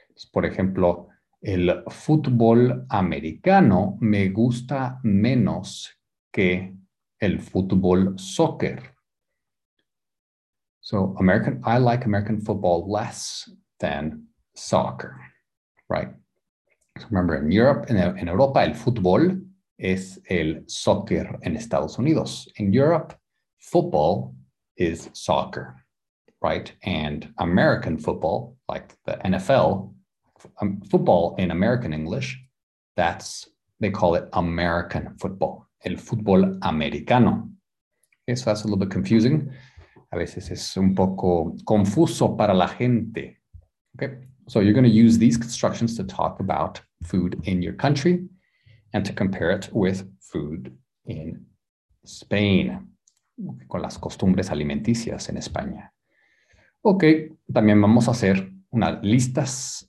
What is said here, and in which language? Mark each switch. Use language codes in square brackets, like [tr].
[es] Por ejemplo, el fútbol americano me gusta menos que el fútbol soccer. [en] So, I like American football less than soccer, right? So remember, in Europe, [es] in Europa, el fútbol es el soccer en Estados Unidos. [en] In Europe, football is soccer, right? And American football, like the NFL, football in American English, they call it American football, [es] el fútbol americano. [en] Okay, so that's a little bit confusing. [es] A veces es un poco confuso para la gente. [en] Okay, so you're going to use these constructions to talk about food in your country and to compare it with food in Spain, [es] con las costumbres alimenticias en España. Okay, también vamos a hacer unas listas.